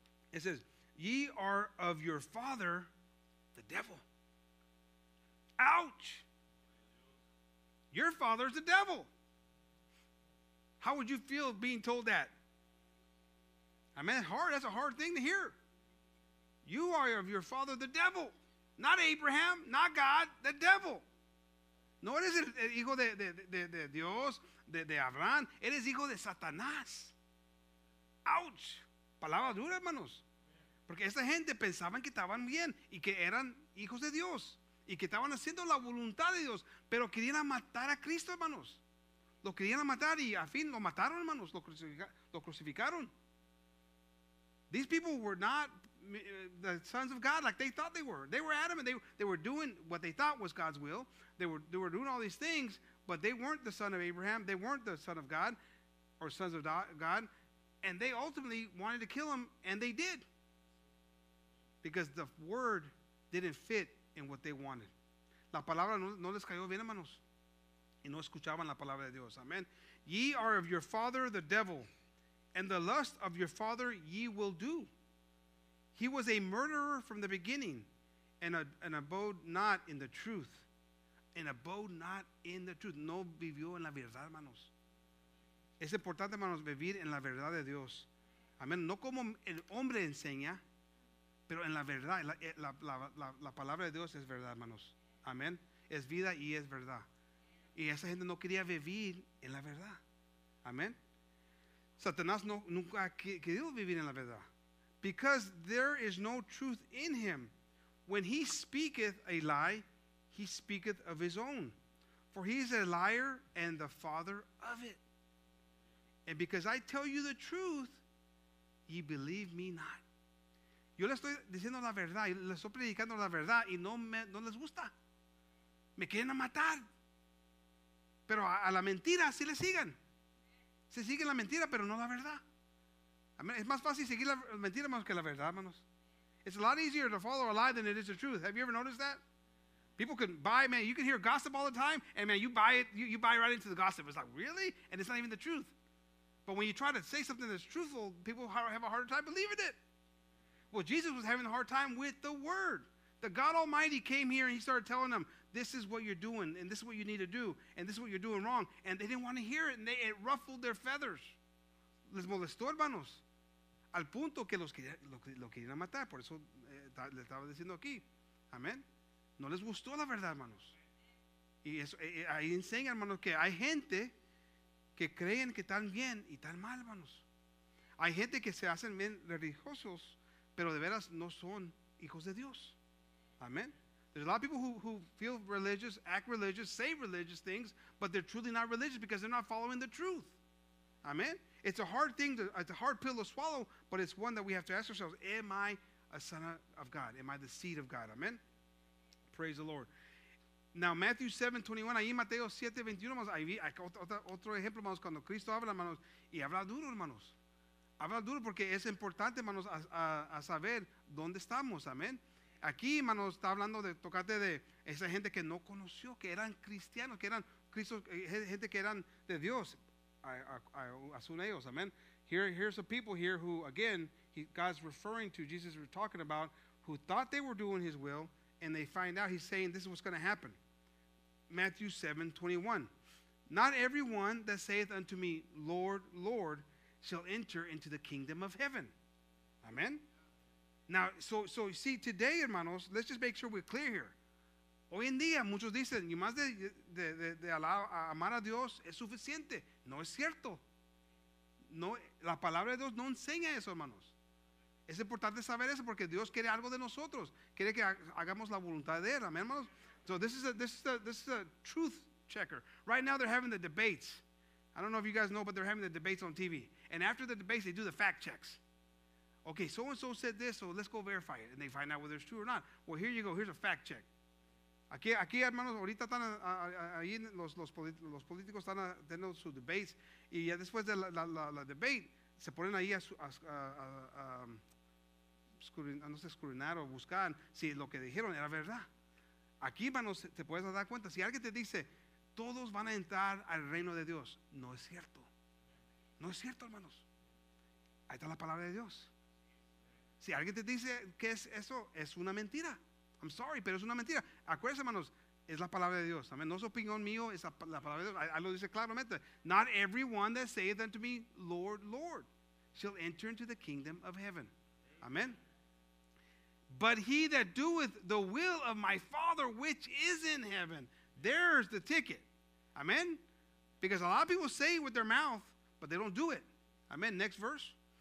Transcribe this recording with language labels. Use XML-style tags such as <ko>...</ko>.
<en>It says, ye are of your father, the devil. Ouch! Your father is the devil. How would you feel being told that? I mean, that's a hard thing to hear. You are of your father, the devil. Not Abraham, not God, the devil.</en> <es>No eres el hijo de Dios, de Abraham. Eres hijo de Satanás.</es> <en>Ouch.</en> <es>Palabra dura, hermanos. Porque esta gente pensaban que estaban bien y que eran hijos de Dios y que estaban haciendo la voluntad de Dios, pero querían matar a Cristo, hermanos. Lo querían matar y al fin lo mataron, hermanos. Lo crucificaron.</es> <en>These people were not the sons of God like they thought they were. They were adamant. They were doing what they thought was God's will. They were doing all these things, but they weren't the son of Abraham. They weren't the son of God or sons of God. And they ultimately wanted to kill him, and they did. Because the word didn't fit in what they wanted.</en> <es>La palabra no les cayó bien, hermanos. Y no escuchaban la palabra de Dios. Amen.</es> <en>Ye are of your father the devil, and the lust of your father ye will do. He was a murderer from the beginning, and abode not in the truth. And abode not in the truth.</en> <es>No vivió en la verdad, hermanos. Es importante, hermanos, vivir en la verdad de Dios. Amen. No como el hombre enseña, pero en la verdad. La palabra de Dios es verdad, hermanos. Amen. Es vida y es verdad. Y esa gente no quería vivir en la verdad. Amen. Satanás nunca quería vivir en la verdad.</es> <en>Because there is no truth in him. When he speaketh a lie, he speaketh of his own. For he is a liar and the father of it. And because I tell you the truth, ye believe me not.</en> <es>Yo le estoy diciendo la verdad, le estoy predicando la verdad y no les gusta. Me quieren matar. Pero a la mentira sí le sigan. Se sigue la mentira, pero no la verdad. Es más fácil seguir la mentira más que la verdad, hermanos.</es> <en>It's a lot easier to follow a lie than it is the truth. Have you ever noticed that? People can buy, man, you can hear gossip all the time, and man, you buy it, you buy right into the gossip. It's like, really? And it's not even the truth. But when you try to say something that's truthful, people have a harder time believing it. Well, Jesus was having a hard time with the word. The God Almighty came here and he started telling them, this is what you're doing, and this is what you need to do, and this is what you're doing wrong. And they didn't want to hear it, and it ruffled their feathers.</en> <es>Les molestó, hermanos, al punto que lo querían matar. Por eso le estaba diciendo aquí. Amén. No les gustó la verdad, hermanos. Y eso, ahí enseña, hermanos, que hay gente que creen que están bien y están mal, hermanos. Hay gente que se hacen bien religiosos, pero de veras no son hijos de Dios. Amen.</es> <en>There's a lot of people who feel religious, act religious, say religious things, but they're truly not religious because they're not following the truth. Amen. It's a hard thing, it's a hard pill to swallow, but it's one that we have to ask ourselves, am I a son of God? Am I the seed of God? Amen. Praise the Lord. Now,</en> <es>Matthew 7:21, ahí Mateo 7:21, ahí hay otro ejemplo, hermanos, cuando Cristo habla, hermanos, y habla duro, hermanos. Habla duro porque es importante, hermanos, a saber dónde estamos, amén. Aquí, hermanos, está hablando de, tocarte de esa gente que no conoció, que eran cristianos, que eran Cristo, gente que eran de Dios, asun ellos, amén.</es> <en>Here's some people here who, again, God's referring to, Jesus was talking about, who thought they were doing his will, and they find out, he's saying, this is what's going to happen. Matthew 7:21. Not everyone that saith unto me, Lord, Lord, shall enter into the kingdom of heaven. Amen. Now, so you see, today, hermanos, let's just make sure we're clear here.</en> <es>Hoy en día, muchos dicen, y más de amar a Dios es suficiente. No es cierto. No, la palabra de Dios no enseña eso, hermanos. Es importante saber eso porque Dios quiere algo de nosotros. Quiere que hagamos la voluntad de Él. Amén, hermanos.</es> <en>So this is a truth checker. Right now they're having the debates. I don't know if you guys know, but they're having the debates on TV. And after the debates, they do the fact checks. Okay, so-and-so said this, so let's go verify it. And they find out whether it's true or not. Well, here you go. Here's a fact check.</en> <es>Aquí hermanos, ahorita están ahí los políticos están teniendo sus debates. Y ya después de la debate, se ponen ahí a buscar si lo que dijeron era verdad. Aquí, hermanos, te puedes dar cuenta. Si alguien te dice, todos van a entrar al reino de Dios, no es cierto. No es cierto, hermanos. Ahí está la palabra de Dios. Si alguien te dice que es eso, es una mentira.</es> <en>I'm sorry,</en> <es>pero es una mentira. Acuérdense, hermanos, es la palabra de Dios. Amen. No es opinión mío, es la palabra de Dios. Ahí lo dice claramente.</es> <en>Not everyone that saith unto me, Lord, Lord, shall enter into the kingdom of heaven. Amen. But he that doeth the will of my Father which is in heaven, There's the ticket. Amen? Because a lot of people say it with their mouth, but they don't do it. Amen. Next verse.</en>